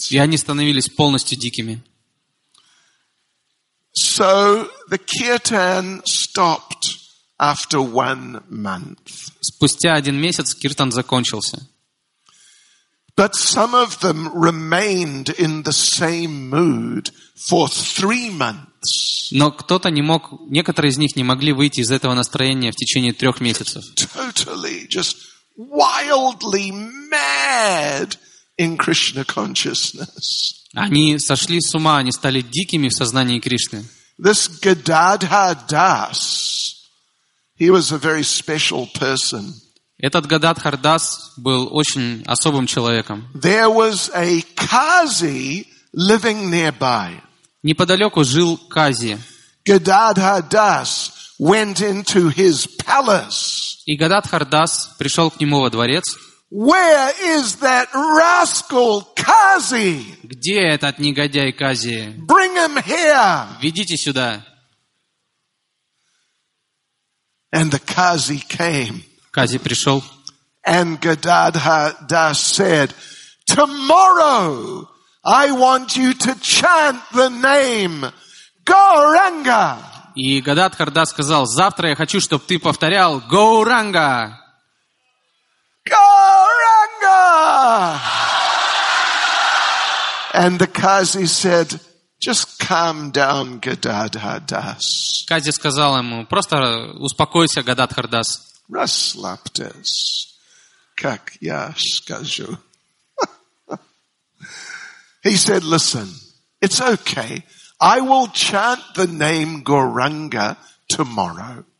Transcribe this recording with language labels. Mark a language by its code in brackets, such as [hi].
[ru] И они становились полностью дикими. [en] So the kirtan stopped after one month. [ru] Спустя один месяц киртан закончился. [en] But some of them remained in the same mood for 3 months. [ru] Но кто-то не мог, некоторые из них не могли выйти из этого настроения в течение 3 месяцев. [en] Totally just wildly mad in Krishna consciousness. [ru] Они сошли с ума, они стали дикими в сознании Кришны. [en] This Gadadhar Das, he was a very special person. [ru] Этот Гададхар Дас был очень особым человеком. [en] There was a Kazi living nearby. [ru] Неподалеку жил Кази. [en] Gadadhar Das went into his palace. [ru] И Гададхар Дас пришел к нему во дворец. [en] Where is that rascal Kazi? [ru] Где этот негодяй Кази? [en] Bring him here. [ru] Ведите сюда. [en] And the Kazi came. [ru] Кази пришел. [en] And Gadadhar Das said, "Tomorrow I want you to chant the name Gauranga." [ru] И Гададхар Дас сказал: "Завтра я хочу, чтобы ты повторял Гауранга." Гауранга! [en] And the Kazi said, "Just calm down, Gadadhar Das." [ru] Кази сказал ему: "Просто успокойся, Гададхар Дас." Расслабьтесь, как я скажу. [en] He said, "Listen, it's okay. I will chant the name Gauranga tomorrow."